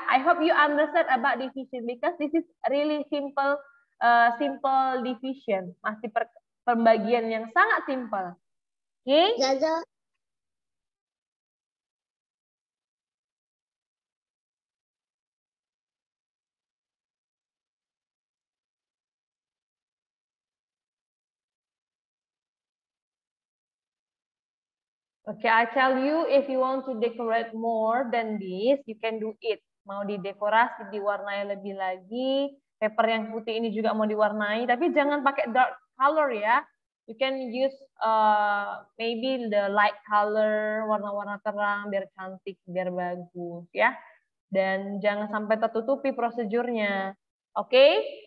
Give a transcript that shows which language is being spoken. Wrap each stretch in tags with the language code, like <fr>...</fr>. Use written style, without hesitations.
<en>I hope you understand about division because this is really simple division.</en> <id>Masih pembagian yang sangat simple. Oke? Okay? Ya,</id> <en>okay, I tell you, if you want to decorate more than this, you can do it.</en> <id>Mau didekorasi, diwarnai lebih lagi. Paper yang putih ini juga mau diwarnai. Tapi jangan pakai dark color ya.</id> <en>You can use maybe the light color,</en> <id>warna-warna terang, biar cantik, biar bagus ya. Dan jangan sampai tertutupi prosedurnya. Okay?</id>